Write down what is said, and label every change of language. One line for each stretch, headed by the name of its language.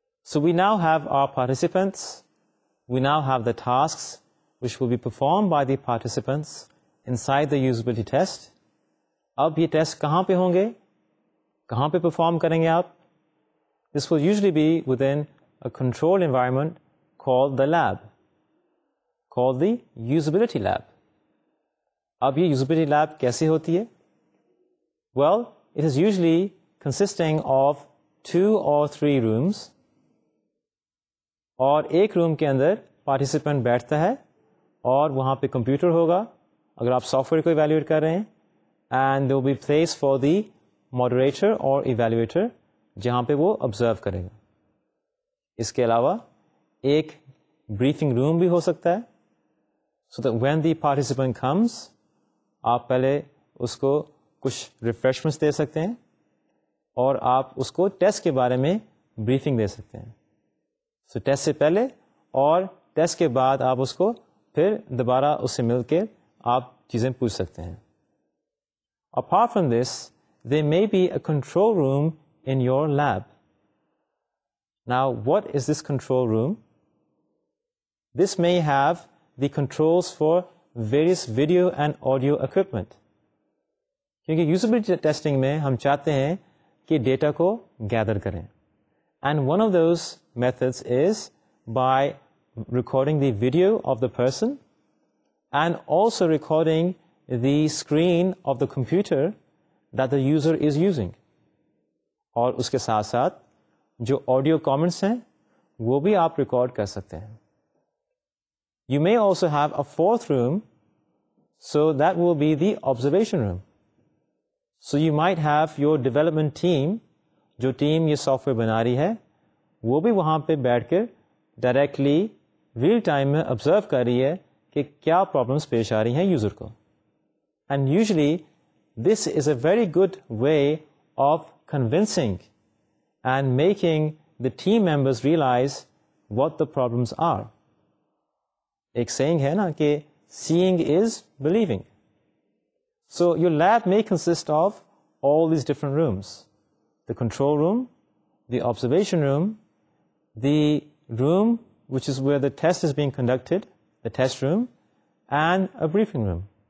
English: So we now have our participants, we now have the tasks which will be performed by the participants inside the usability test.
Urdu: Ab ye test kahan pe honge, kahan pe perform karenge aap?
English: This will usually be within a controlled environment called the lab, called the usability lab.
Urdu: Ab ye usability lab kaise hoti hai?
English: Well, it is usually consisting of two or three rooms,
Urdu: اور ایک روم کے اندر participant بیٹھتا ہے اور وہاں پہ computer ہوگا اگر آپ سافٹ ویئر کو ایویلیویٹ کر رہے ہیں.
English: and there will be place for the moderator
Urdu: اور ایویلیویٹر جہاں پہ وہ آبزرو کرے گا. اس کے علاوہ ایک بریفنگ روم بھی ہو سکتا ہے,
English: so that when the participant comes
Urdu: آپ پہلے اس کو کچھ ریفریشمنٹس دے سکتے ہیں اور آپ اس کو ٹیسٹ کے بارے میں بریفنگ دے سکتے ہیں. سو ٹیسٹ سے پہلے اور ٹیسٹ کے بعد آپ اس کو پھر دوبارہ اس سے مل کے آپ چیزیں پوچھ سکتے ہیں.
English: Apart from this they may be a control room in your lab. Now what is this control room? This may have the controls for various video and audio equipment,
Urdu: کیونکہ یوزبلٹی ٹیسٹنگ میں ہم چاہتے ہیں data کو گیدر کریں.
English: and one of those methods is by recording the video of the person and also recording the screen of the computer that the user is using,
Urdu: اور اس کے ساتھ ساتھ جو آڈیو کامنٹس ہیں وہ بھی آپ ریکارڈ کر سکتے ہیں.
English: You may also have a fourth room, so that will be the observation room. So you might have your development team,
Urdu: جو ٹیم یہ سافٹ ویئر بنا رہی ہے وہ بھی وہاں پہ بیٹھ کر ڈائریکٹلی ریئل ٹائم میں آبزرو کر رہی ہے کہ کیا پرابلمس پیش آ رہی ہیں یوزر کو.
English: And usually this is a very good way of convincing and making the team members realise what the problems are.
Urdu: ایک سینگ ہے نا کہ
English: Seeing is believing. So your lab may consist of all these different rooms: the control room, the observation room, the room which is where the test is being conducted, the test room, and a briefing room.